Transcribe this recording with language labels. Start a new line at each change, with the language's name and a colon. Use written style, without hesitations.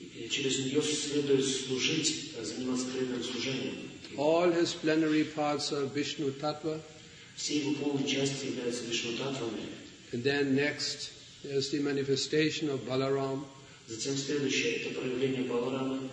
Russian: через нее следует служить, заниматься кривым служением.
English: All his plenary parts are Vishnu Tattva.
Russian: Все его полные части являются Вишну Таттвами.
English: And then next is the manifestation of Balaram.
Russian: Затем следующее это проявление Баларамы.